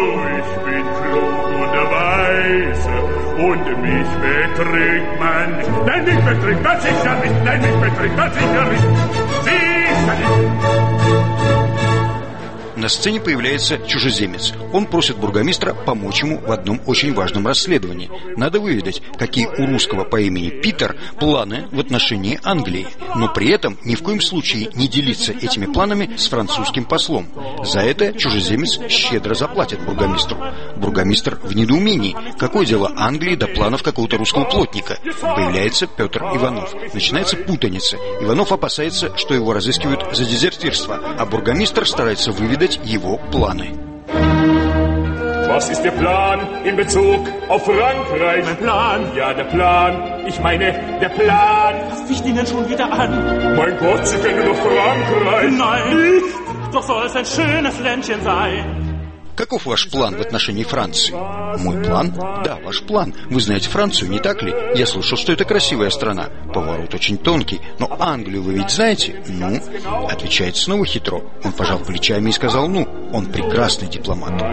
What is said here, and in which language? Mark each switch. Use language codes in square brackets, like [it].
[de] Ich bin klug und weise, und mich betrügt man nicht. Nein, mich betrügt man sicher nicht. Nein, mich betrügt man sicher nicht. Sicher nicht. [ru] На сцене появляется чужеземец. Он просит бургомистра помочь ему в одном очень важном расследовании. Надо выведать, какие у русского по имени Питер планы в отношении Англии. Но при этом ни в коем случае не делиться этими планами с французским послом. За это чужеземец щедро заплатит бургомистру. Бургомистр в недоумении. Какое дело Англии до планов какого-то русского плотника? Появляется Петр Иванов. Начинается путаница. Иванов опасается, что его разыскивают за дезертирство. А бургомистр старается выведать, узнать его планы. [de] Was ist der Plan in Bezug auf Frankreich? Mein Plan. Ja, der Plan. Ich meine, der Plan. Was ficht ihn denn schon wieder an? Mein Gott, Sie kennen doch Frankreich. Nein, nicht. Doch soll es ein schönes Ländchen sein. [ru] Каков ваш план в отношении Франции? Мой план? Да, ваш план. Вы знаете Францию, не так ли? Я слышал, что это красивая страна. Поворот очень тонкий. Но Англию вы ведь знаете? Ну, отвечает снова хитро. Он пожал плечами и сказал, ну, он прекрасный дипломат.